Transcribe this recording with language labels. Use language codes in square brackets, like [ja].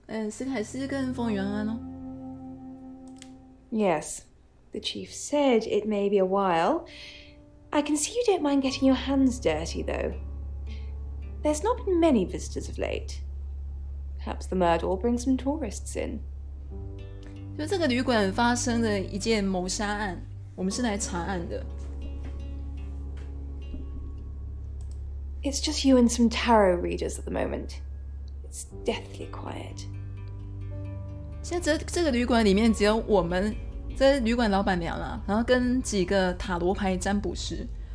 [zh] 斯凯斯跟凤元安哦。 [en] Yes, the chief said it may be a while. I can see you don't mind getting your hands dirty, though. There's not been many visitors of late. Perhaps the murder will bring some tourists in. [zh] 就这个旅馆发生了一件谋杀案，我们是来查案的。 [en] It's just you and some tarot readers at the moment. It's deathly quiet. [zh] 现在这个旅馆里面只有我们，这旅馆老板娘了、啊，然后跟几个塔罗牌占卜师。